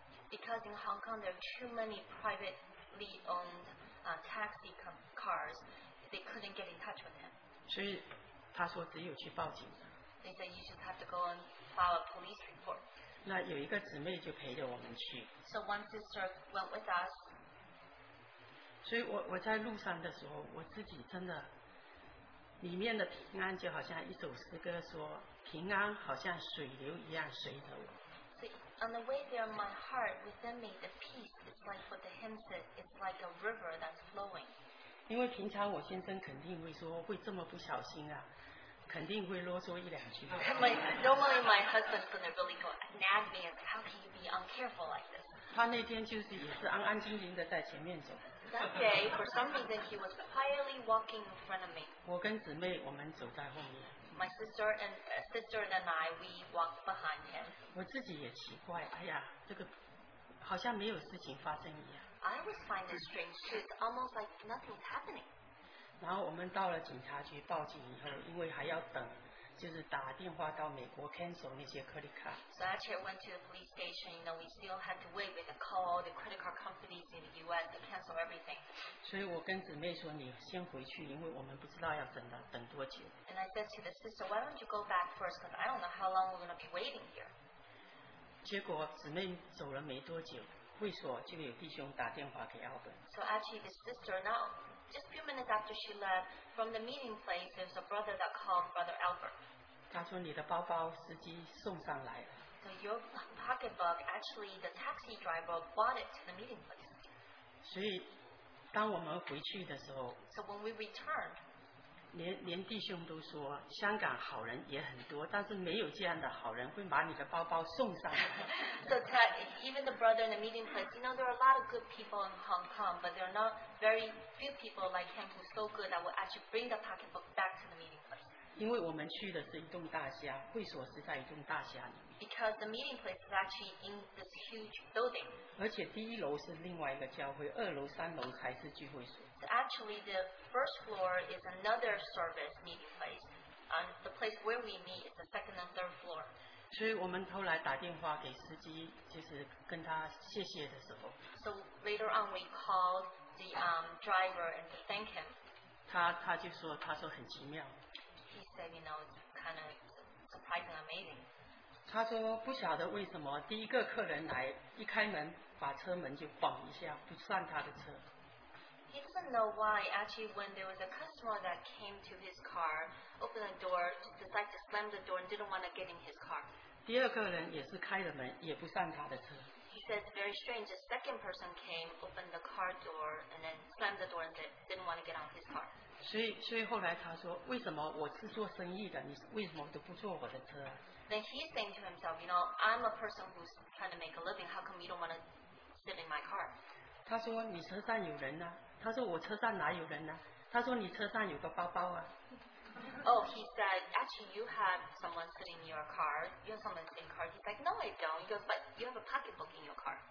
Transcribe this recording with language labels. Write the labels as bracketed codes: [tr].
[en] Because in Hong Kong there are too many privately owned taxi cars, they couldn't get in touch with him. [zh] 所以他说只有去报警。 [en] They said you just have to go and file a police report. [zh] 那有一个姊妹就陪着我们去。 [en] So one sister went with us. [zh] 所以我在路上的时候，我自己真的里面的平安就好像一首诗歌说。平安好像水流一样随着我。 [en] So on the way there, my heart within me, the peace is like what the hymn says, it's like a river that's flowing. [zh] 因为平常我先生肯定会说，会这么不小心啊，肯定会啰嗦一两句。 [en] Normally my husband's gonna really go nag me, and how can you be uncareful like this? [zh] 他那天就是也是安安静静的在前面走。 [en] That day, for some reason, he was quietly walking in front of me. [zh] 我跟姊妹我们走在后面。 [en] My sister and I, we walked behind him. [zh] 我自己也奇怪，哎呀，这个好像没有事情发生一样。 [en] I always find it strange. It's almost like nothing's happening. [zh] 然后我们到了警察局报警以后，因为还要等，就是打电话到美国 cancel 那些 credit card. [en] So actually, I went to the police station. You know, we still had to wait with the call all the credit card companies in the U.S. to cancel everything. [zh] 所以我跟姊妹说，你先回去，因为我们不知道要等多久。 [en] And I said to the sister, why don't you go back first? Because I don't know how long we're going to be waiting here. [zh] 结果姊妹走了没多久，会所就有弟兄打电话给 Albert. [en] So actually, the sister now. Just a few minutes after she left, from the meeting place, there was a brother that called Brother Albert. [zh] 他说你的包包司机送上来了。 [en] So your pocketbook, actually the taxi driver brought it to the meeting place. [zh] 所以当我们回去的时候 [en] So when we returned, [zh] 连弟兄都说香港好人也很多，但是没有这样的好人会把你的包包送上来。 [en] So even the brother in the meeting place, you know, there are a lot of good people in Hong Kong, but there are not very few people like him who are so good that will actually bring the pocketbook back to the meeting place. [zh] 因为我们去的是一栋大厦，会所是在一栋大厦里。 [en] Because the meeting place is actually in this huge building. [zh] 而且第一楼是另外一个教会，二楼、三楼才是聚会所。 [en] So actually, the first floor is another service meeting place, and the place where we meet is the second and third floor. [zh] 所以我们后来打电话给司机，就是跟他谢谢的时候。 [en] So later on, we called the driver and to thank him. [zh] 他就说，他说很奇妙。 [en] Said, you know, it's kind of surprising, amazing. [zh] 他说不晓得为什么第一个客人来一开门把车门就晃一下不算他的车。 [en] He doesn't know why. Actually, when there was a customer that came to his car, opened the door, decided to slam the door and didn't want to get in his car. [zh] 第二个人也是开了门也不算他的车。 [en] He said very strange. The second person came, opened the car door and then slammed the door and didn't want to get on his car. [zh] 所以后来他说，为什么我是做生意的，你为什么都不坐我的车、啊、 [en] ？Then he's saying to himself, you know, I'm a person who's trying to make a living. How come you don't want to sit in my car? [zh] 他说你车上有人呢、啊？他说我车上哪有人呢、啊？他说你车上有个包包啊。 [en] Oh, he said, actually, you have someone sitting in your car. You have someone sitting in your car. He's like, no, I don't. He goes, but you have a pocketbook in your car.